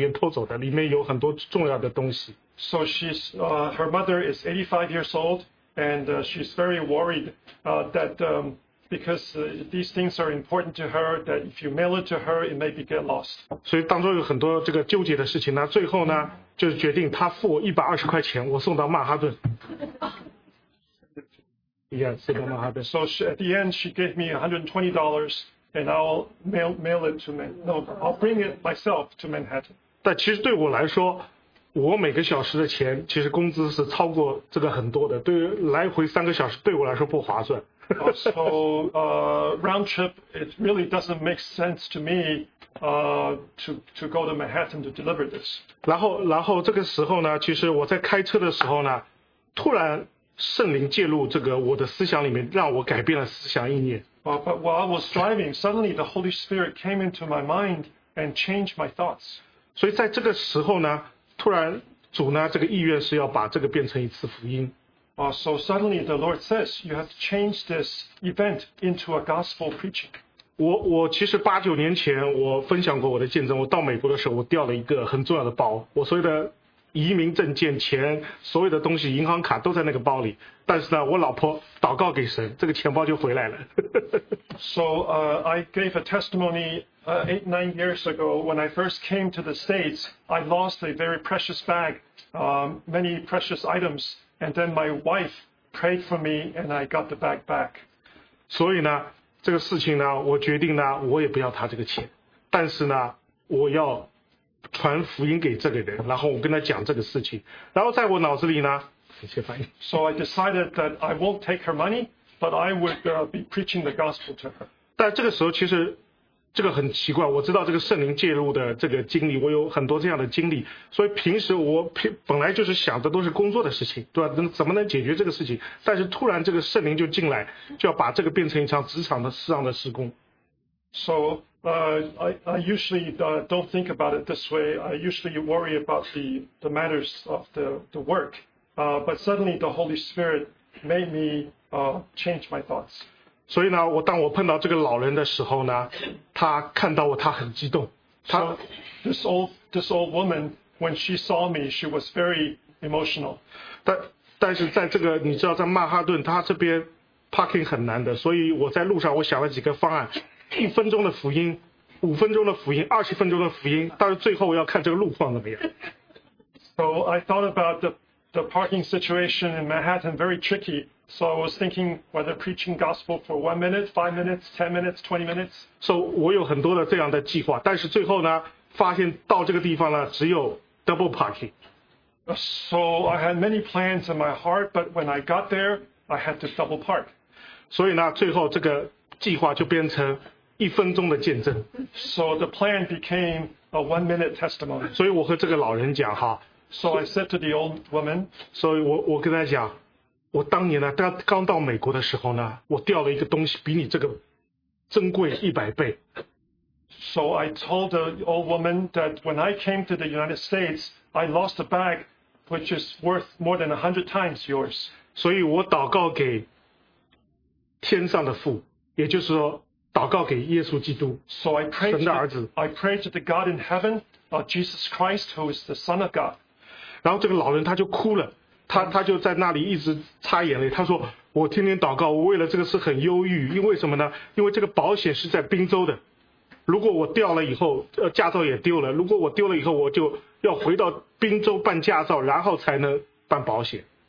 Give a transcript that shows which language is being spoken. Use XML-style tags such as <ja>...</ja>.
<zh>所以她妈妈其实是个很忧愁的人，她85岁了，她说你不能寄给我，说到时候会被那个快递员偷走的，里面有很多重要的东西。So</zh> <en>she's, her mother is 85 years old, and she's very worried that because these things are important to her, that if you mail it to her, it may be get lost.</en> <zh>所以当中有很多这个纠结的事情呢，最后呢。就是决定他付我120块钱，我送到曼哈顿。Yes,</zh> <en>so she, at the end, she gave me $120, and I'll mail it to Manhattan. No, I'll bring it myself to Manhattan.</en> <zh>但其实对我来说，我每个小时的钱其实工资是超过这个很多的，对于来回三个小时对我来说不划算。</zh> <en>So, round trip, it really doesn't make sense to me, to go to Manhattan to deliver this.</en> <zh>然后这个时候呢，其实我在开车的时候呢，突然圣灵介入这个我的思想里面，让我改变了思想意念。</zh> <en>But while I was driving, suddenly the Holy Spirit came into my mind and changed my thoughts.</en> <zh>所以在这个时候呢，突然主呢，这个意愿是要把这个变成一次福音。</zh> <en>So suddenly the Lord says, you have to change this event into a gospel preaching.</en> <zh>我其实八九年前我分享过我的见证，我到美国的时候我掉了一个很重要的包，我所有的移民证件、钱、所有的东西、银行卡都在那个包里，但是呢，我老婆祷告给神，这个钱包就回来了。</zh> <en>So, I gave a testimony, eight, 9 years ago when I first came to the States, I lost a very precious bag, many precious items. And then my wife prayed for me, and I got the bag back.</en> <zh>所以呢，这个事情呢，我决定呢，我也不要他这个钱，但是呢，我要传福音给这个人，然后我跟他讲这个事情，然后在我脑子里呢，一切翻译。</zh> <en>So I decided that I won't take her money, but I would be preaching the gospel to her.</en> <zh>但这个时候其实这个很奇怪，我知道这个圣灵介入的这个经历，我有很多这样的经历，所以平时我本来就是想的都是工作的事情，对吧？怎么能解决这个事情？但是突然这个圣灵就进来，就要把这个变成一场职场的事上的施工。</zh> <en>So, I usually don't think about it this way. I usually worry about the matters of the work. But suddenly the Holy Spirit made me change my thoughts.</en> <zh>所以呢，我当我碰到这个老人的时候呢，他看到我，他很激动。他</zh> <en>so, this old woman when she saw me, she was very emotional.</en> <zh>但是在这个你知道，在曼哈顿，他这边 parking 很难的，所以我在路上我想了几个方案：一分钟的福音，五分钟的福音，二十分钟的福音。但是最后我要看这个路况怎么样。</zh> <en>So I thought about the parking situation in Manhattan very tricky. So I was thinking whether preaching gospel for 1 minute, 5 minutes, 10 minutes, 20 minutes.</en> <zh>So 我有很多的这样的计划，但是最后呢，发现到这个地方呢，只有 double parking.</zh> <en>So I had many plans in my heart, but when I got there, I had to double park.</en> <zh>所以呢，最后这个计划就变成一分钟的见证。</zh> <en>So the plan became a 1 minute testimony.</en> <zh>所以我和这个老人讲哈。</zh> <en>So I said to the old woman.</en> <zh>所以我跟他讲。我当年呢，刚到美国的时候呢，我掉了一个东西，比你这个珍贵100倍。</zh> <en>So I told the old woman that when I came to the United States, I lost a bag which is worth more than 100 times yours.</en> <zh>所以我祷告给天上的父，也就是说祷告给耶稣基督，神的儿子。</zh> <en>I prayed to the God in heaven, Jesus Christ, who is the Son of God.</en> <zh>然后这个老人他就哭了。他就在那里一直擦眼泪，他说我天天祷告，我为了这个事很忧郁，因为什么呢？因为这个保险是在宾州的，如果我掉了以后，驾照也丢了，如果我丢了以后，我就要回到宾州办驾照，然后才能办保险。</zh>